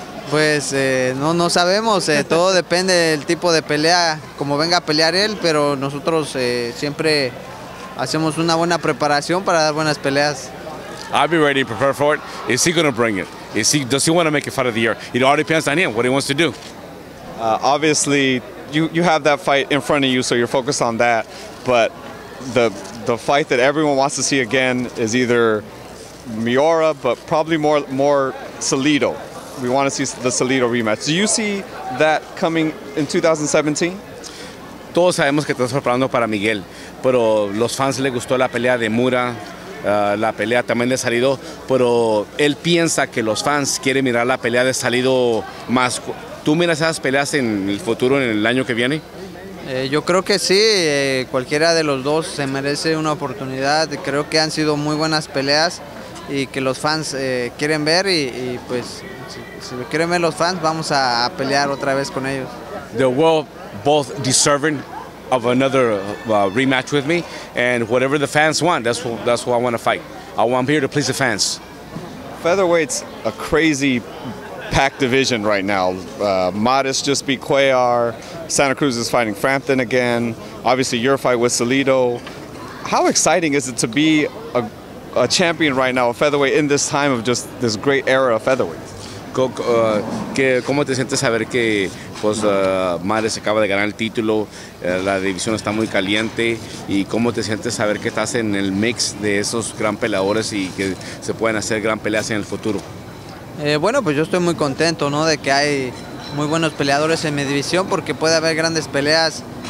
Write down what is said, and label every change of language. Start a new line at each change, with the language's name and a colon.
Spanish: Pues no sabemos, todo depende del tipo de pelea, como venga a pelear él, pero nosotros siempre hacemos una buena preparación para dar buenas peleas.
English: I'll be ready to prepare for it. Is he going to bring it? Does he want to make a fight of the year? It all depends on him, what he wants to do. Obviously, you have that fight in front of you, so you're focused on that, but the fight that everyone wants to see again is either Miura, but probably more Salido. We want to see the Salido rematch. Do you see that coming in 2017?
Spanish: Todos sabemos que estás preparando para Miguel, pero los fans le gustó la pelea de Mura, la pelea también de Salido, pero él piensa que los fans quieren mirar la pelea de Salido más. ¿Tú miras esas peleas en el futuro, en el año que viene? Yo creo que sí, cualquiera de los dos se merece una oportunidad. Creo que han sido muy buenas peleas y que los fans quieren ver y pues... Si lo quieren ver los fans, vamos a pelear otra vez con ellos.
English: They're well both deserving of another rematch with me. And whatever the fans want, that's who I want to fight. I'm here to please the fans. Featherweight's a crazy packed division right now. Modest just beat Cuellar. Santa Cruz is fighting Frampton again. Obviously, your fight with Salido. How exciting is it to be a champion right now, a featherweight, in this time of just this great era of featherweight?
Spanish: ¿Cómo te sientes saber que pues, Mares acaba de ganar el título, la división está muy caliente y cómo te sientes saber que estás en el mix de esos gran peleadores y que se pueden hacer gran peleas en el futuro? Bueno, pues yo estoy muy contento, ¿no?, de que hay muy buenos peleadores en mi división porque puede haber grandes peleas.